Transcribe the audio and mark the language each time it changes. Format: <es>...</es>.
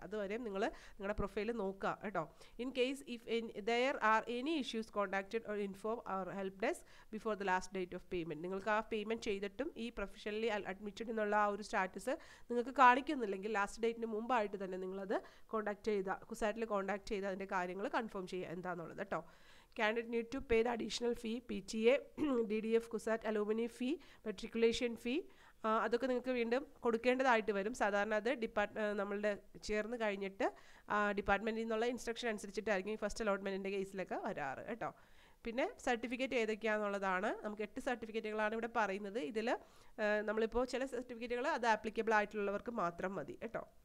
<ml>അതുവരെയും നിങ്ങൾ നിങ്ങളുടെ പ്രൊഫൈൽ നോക്കുക കേട്ടോ.</ml> <en>In case if there are any issues contacted or inform our help desk before the last date of payment.</en> <ml>നിങ്ങൾക്ക് ആ പേയ്മെന്റ് ചെയ്തിട്ടും ഈ പ്രൊഫഷണലി അഡ്മിറ്റഡ് എന്നുള്ള ആ ഒരു സ്റ്റാറ്റസ് നിങ്ങൾക്ക് കാണിക്കുന്നില്ലെങ്കിൽ ലാസ്റ്റ് ഡേറ്റിന് മുമ്പായിട്ട് തന്നെ നിങ്ങളത് കോൺടാക്ട് ചെയ്ത കുസാറ്റിൽ കോൺടാക്ട് ചെയ്ത് അതിൻ്റെ കാര്യങ്ങൾ കൺഫേം ചെയ്യുക എന്താണെന്നുള്ളത് കേട്ടോ.</ml> <en>Candidate need to pay the additional fee, PTA, DDF, CUSAT, alumni fee, matriculation fee.</en> <ml>അതൊക്കെ നിങ്ങൾക്ക് വീണ്ടും കൊടുക്കേണ്ടതായിട്ട് വരും. സാധാരണ അത് നമ്മളുടെ ചേർന്ന് കഴിഞ്ഞിട്ട് ഡിപ്പാർട്ട്മെൻറ്റിൽ നിന്നുള്ള ഇൻസ്ട്രക്ഷൻ അനുസരിച്ചിട്ടായിരിക്കും ഫസ്റ്റ് അലോട്ട്മെൻറ്റിൻ്റെ കേസിലൊക്കെ വരാറ് കേട്ടോ. പിന്നെ സർട്ടിഫിക്കറ്റ് ഏതൊക്കെയാണെന്നുള്ളതാണ്. നമുക്ക് 8 സർട്ടിഫിക്കറ്റുകളാണ് ഇവിടെ പറയുന്നത്. ഇതിൽ നമ്മളിപ്പോൾ ചില സർട്ടിഫിക്കറ്റുകൾ അത് ആപ്ലിക്കബിൾ ആയിട്ടുള്ളവർക്ക് മാത്രം മതി കേട്ടോ.</ml>